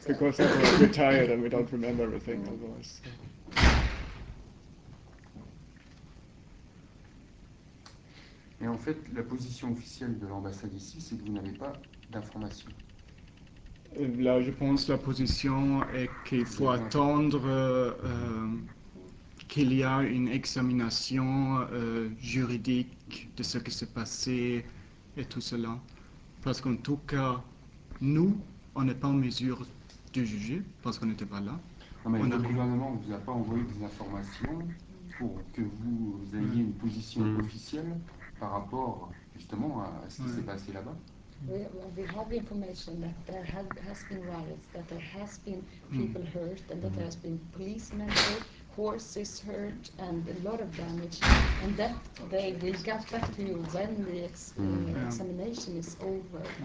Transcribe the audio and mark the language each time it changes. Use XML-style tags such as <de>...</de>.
<en>Because we're tired and we don't remember everything otherwise.</en> <fr>Et en fait, la position officielle de l'ambassade ici, c'est que vous n'avez pas d'information. Là, je pense que la position est qu'il faut attendre qu'il y ait une examination juridique de ce qui s'est passé et tout cela. Parce qu'en tout cas, nous, on n'est pas en mesure de juger, parce qu'on n'était pas là. Non, mais le gouvernement ne vous a pas envoyé des informations pour que vous ayez une position officielle par rapport justement à ce qui s'est passé là-bas.</fr> <en>We have information that there has been riots, that there has been people hurt, and that there has been policemen hurt, horses hurt, and a lot of damage. And that they will get back to you when the examination is over.</en>